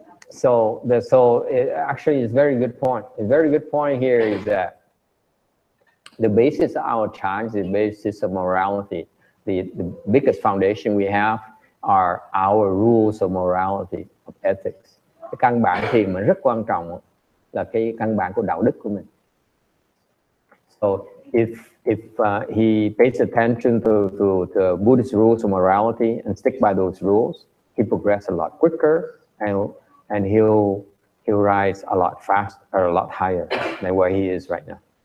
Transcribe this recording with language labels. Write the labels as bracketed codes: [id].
[en] So actually it's a very good point. A very good point here is that the basis of our charge, the basis of morality, the biggest foundation we have are our rules of morality, of ethics. [vi] Cái căn bản thiền mà rất quan trọng là cái căn bản của đạo đức của mình. [en] So if he pays attention to Buddhist rules of morality and stick by those rules, he progress a lot quicker and he'll rise a lot faster or a lot higher than where he is right now.